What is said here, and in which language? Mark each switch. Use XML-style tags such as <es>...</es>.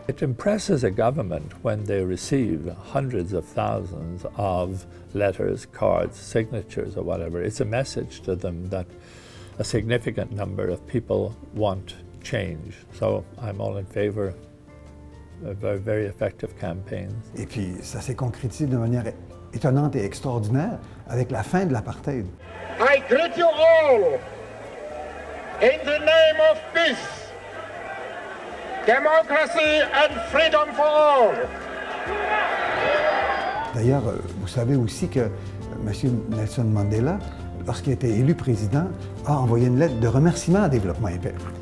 <en>It impresses a government when they receive hundreds of thousands of letters, cards, signatures, or whatever. It's a message to them that a significant number of people want change. So I'm all in favor. Very, very effective campaigns.</en> <fr>Et puis, ça s'est concrétisé de manière étonnante et extraordinaire avec la fin de l'apartheid.</fr> <en>I greet you all in the name of peace, democracy and freedom for all.</en> <fr>D'ailleurs, vous savez aussi que M. Nelson Mandela, lorsqu'il a été élu président, a envoyé une lettre de remerciement à Développement et Paix.</fr>